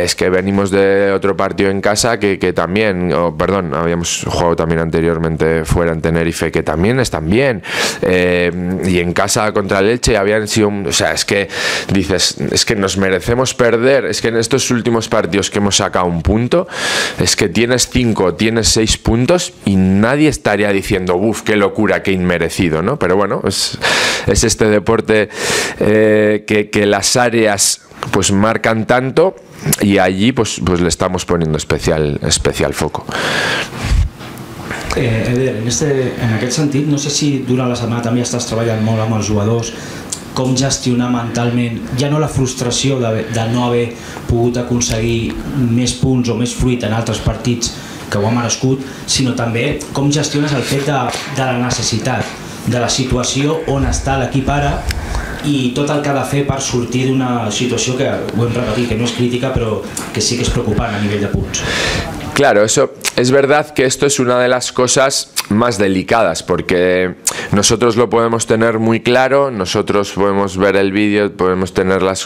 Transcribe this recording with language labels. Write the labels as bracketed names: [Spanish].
[Spanish] venimos de otro partido en casa que también, perdón, habíamos jugado también anteriormente fuera en Tenerife, que también están bien, y en casa contra el Elche habían sido, o sea, es que dices, es que nos merecemos perder, es que en estos últimos partidos que hemos sacado un punto, es que tienes 5, tienes 6 puntos y nadie estaría diciendo, uff, qué locura, qué inmerecido, ¿no? Pero bueno, es este deporte que las áreas pues marcan tanto y allí pues le estamos poniendo especial foco. [Catalan] Eder, en aquest sentit, no sé si durant la setmana també estàs treballant molt amb els jugadors, com gestionar mentalment, ja no la frustració de no haver pogut aconseguir més punts o més fruit en altres partits que ho ha merescut, sinó també com gestiones el fet de la necessitat, de la situació on està l'equip ara i tot el que ha de fer per sortir d'una situació que, ho hem repetit, que no és crítica, però que sí que és preocupant a nivell de punts. [Spanish] Claro, eso es verdad, que esto es una de las cosas más delicadas, porque nosotros lo podemos tener muy claro, nosotros podemos ver el vídeo, podemos tener